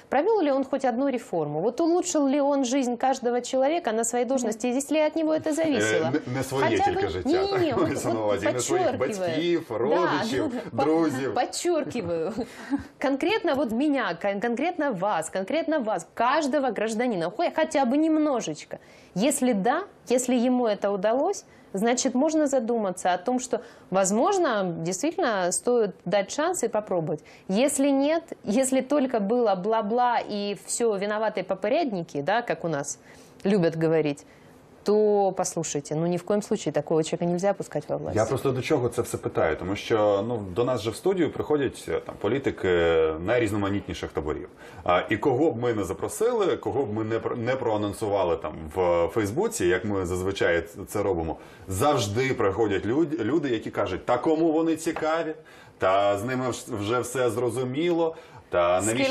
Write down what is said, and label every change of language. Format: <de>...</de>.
<ru>Провел ли он хоть одну реформу? Вот улучшил ли он жизнь каждого человека на своей должности? Здесь ли от него это зависело?</ru> <uk>Не своє тільки життя.</uk> <ru>Не, не, вот подчеркиваю.</ru> <uk>Не своих батьків, родичів, друзів.</uk> <ru>Подчеркиваю. Конкретно вот меня, конкретно вас, каждого гражданина, хотя бы немножечко. Если да, если ему это удалось, значит, можно задуматься о том, что, возможно, действительно стоит дать шанс и попробовать. Если нет, если только было бла-бла и все виноваты попередники, да, как у нас любят говорить, то послушайте, ну ни в коем случае такого человека нельзя пускать во власть.</ru> <uk>Я просто до чого це все питаю, тому що ну, до нас же в студію приходять там, політики найрізноманітніших таборів. І кого б ми не запросили, кого б ми не проанонсували там, в Фейсбуці, як ми зазвичай це робимо, завжди приходять люди, які кажуть, та кому вони цікаві, та з ними вже все зрозуміло, та навіщо</uk>